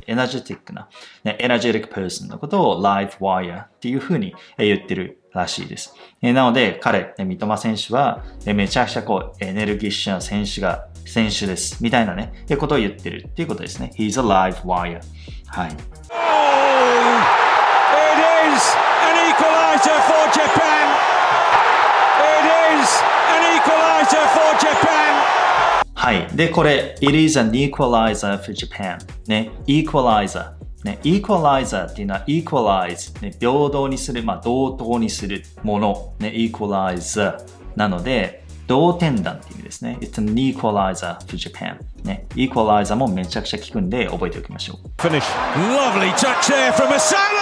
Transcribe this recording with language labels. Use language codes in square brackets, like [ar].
[ja] エナジェティックな、ね。エナジェティックパーソンのことを live wire っていうふうに言ってるらしいです。なので、彼、三笘選手は、めちゃくちゃこう、エネルギッシュな選手が、選手です。みたいなね。ってことを言ってるっていうことですね。 [en] He's a live wire。 はい。 Oh! It is an equalizer for Japan! It is an equalizer for Japan! [ja] はい。 [en] で、これ、It is an equalizer for Japan. ね。Equalizer。 ね。 [ja] Equalizer っていうのは、Equalize。ね。平等にする、まあ、同等にするもの。 [en] ね。Equalizer。 [ja] なので、同点弾っていう意味ですね。 [en] It's an equalizer for Japan. [ja] ね。 Equalizer もめちゃくちゃ効くんで、覚えておきましょう。 [en] Finish. Lovely touch there from Asano!